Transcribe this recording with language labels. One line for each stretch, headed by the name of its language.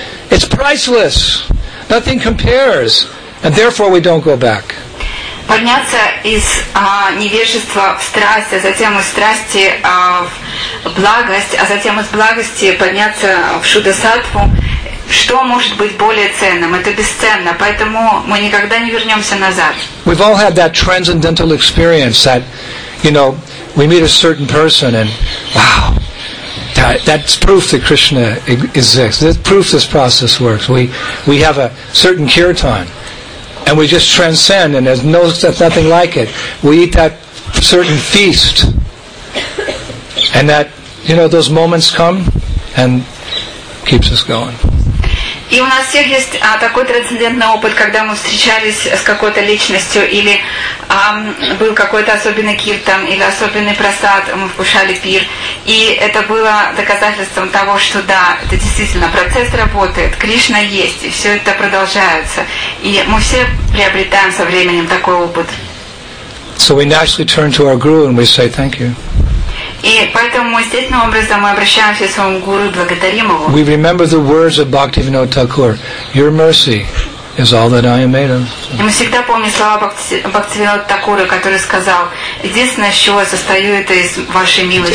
English: It's priceless. Nothing compares. And therefore we don't go back.
Russian: Подняться из невежества в страсть, а затем из страсти в благость, а затем из благости подняться в Шудасаттву. Что может быть более ценным? Это бесценно, поэтому мы никогда не вернемся назад.
English: We've all had that transcendental experience that, you know, we meet a certain person and, wow, that's proof that Krishna exists. That's proof this process works. We have a certain kirtan and we just transcend and there's nothing like it. We eat that certain feast and that, you know, those moments come and keeps us going.
Russian: И у нас всех есть такой трансцендентный опыт, когда мы встречались с какой-то личностью, или был какой-то особенный киртан, или особенный просад, мы вкушали пир. И это было доказательством того, что да, это действительно процесс работает, Кришна есть, и все это продолжается. И мы все приобретаем со временем такой опыт.
English: So we naturally turn to our guru and we say thank you.
Russian: И поэтому мы естественным образом обращаемся к своему гуру и благодарим его.
English: We remember the words of Bhaktivinoda Thakur. Your mercy is all that I am made of.
Russian: И мы всегда помним слова Бхактивинода Такура, который сказал, единственное, с чего я состою, это из вашей милости.